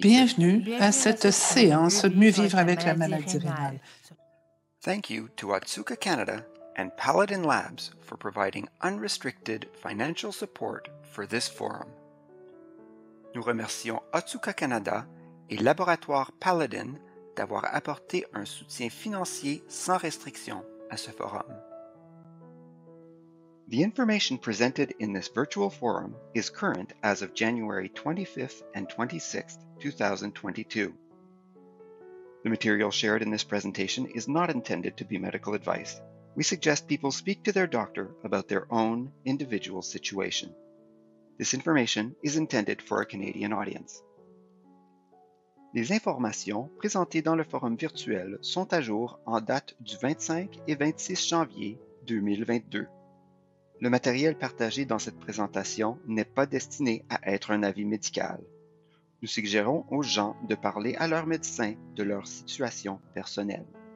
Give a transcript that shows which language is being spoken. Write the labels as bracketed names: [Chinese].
[French] Bienvenue à cette séance de mieux vivre avec la maladie rénale. [English] Thank you to Otsuka Canada and Paladin Labs for providing unrestricted financial support for this forum. [French] Nous remercions Otsuka Canada et Laboratoire Paladin d'avoir apporté un soutien financier sans restriction à ce forum. [English] The information presented in this virtual forum is current as of January 25th and 26th, 2022. The material shared in this presentation is not intended to be medical advice. We suggest people speak to their doctor about their own individual situation. This information is intended for a Canadian audience. [French] Les informations présentées dans le forum virtuel sont à jour en date du 25 et 26 janvier 2022. Le matériel partagé dans cette présentation n'est pas destiné à être un avis médical. Nous suggérons aux gens de parler à leur médecin de leur situation personnelle.